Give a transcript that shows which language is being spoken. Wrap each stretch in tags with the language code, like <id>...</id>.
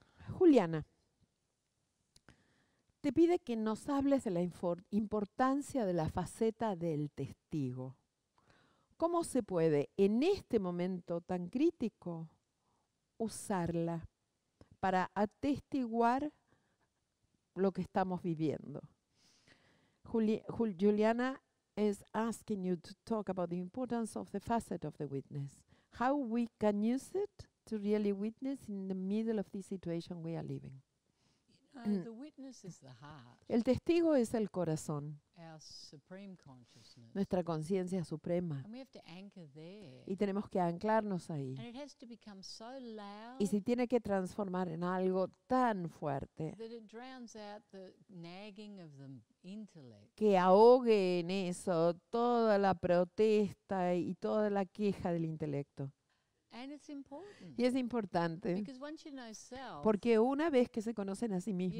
<es>Juliana te pide que nos hables de la importancia de la faceta del testigo. ¿Cómo se puede en este momento tan crítico usarla para atestiguar lo que estamos viviendo?</es> <en>Juliana is asking you to talk about the importance of the facet of the witness. How we can use it to really witness in the middle of this situation we are living. The witness is the heart.</en> <es>El testigo es el corazón.</es> <en>Our supreme consciousness.</en> <es>Nuestra conciencia suprema.</es> <en>And we have to anchor there.</en> <es>Y tenemos que anclarnos ahí.</es> <en>And it has to become so loud.</en> <es>Y se tiene que transformar en algo tan fuerte.</es> <en>That it drowns out the nagging of the intellect.</en> <es>Que ahogue en eso toda la protesta y toda la queja del intelecto.</es> <en>And it's important.</en> <es>Y es importante.</es> <en>Because once you know self,</en> <es>porque una vez que se conocen a sí mismos,</es>